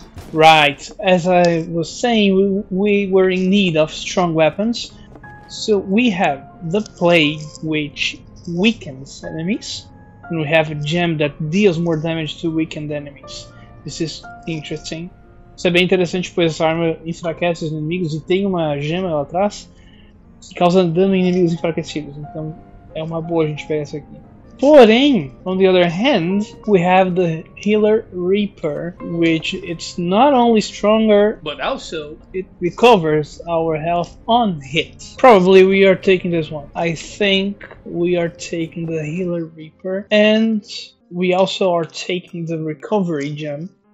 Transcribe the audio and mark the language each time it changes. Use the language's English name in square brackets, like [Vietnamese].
[English] Right, as I was saying, we were in need of strong weapons. So we have the plague, which weakens enemies. And we have a gem that deals more damage to weakened enemies. This is interesting. [Portuguese] Isso é bem interessante, pois essa arma enfraquece os inimigos e tem uma gema lá atrás. Causa dano em inimigos enfraquecidos, então é uma boa a gente pegar essa aqui. [English] Porém, on the other hand, we have the Healer Reaper, which it's not only stronger, but also it recovers our health on hit. Probably we are taking this one. I think we are taking the Healer Reaper, and we also are taking the Recovery Gem.